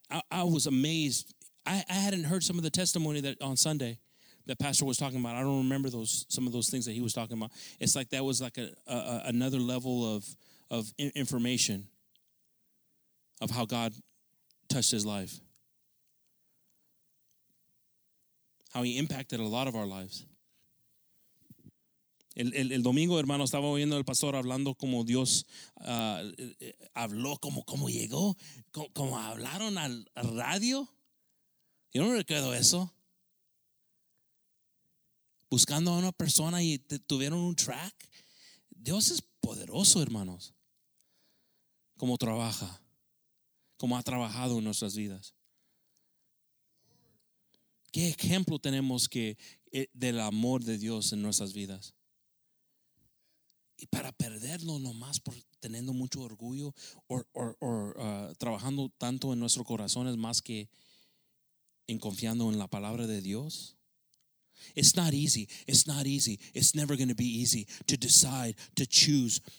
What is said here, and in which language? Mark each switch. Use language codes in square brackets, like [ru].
[en] I was amazed. I hadn't heard some of the testimony that on Sunday that Pastor was talking about. I don't remember those some of those things that he was talking about. It's like that was like another level of information of how God touched his life. how he impacted a lot of our lives. [es] El domingo, hermano, estaba oyendo al pastor hablando como Dios habló, como llegó, como hablaron al radio. Yo no recuerdo eso. Buscando a una persona y tuvieron un track. Dios es poderoso, hermanos. Como trabaja, como ha trabajado en nuestras vidas. ¿Qué ejemplo tenemos que del amor de Dios en nuestras vidas? Y para perderlo nomás por teniendo mucho orgullo o trabajando tanto en nuestros corazones más que en confiando en la palabra de Dios. [en] It's not easy. It's not easy. It's never going to be easy to decide, to choose.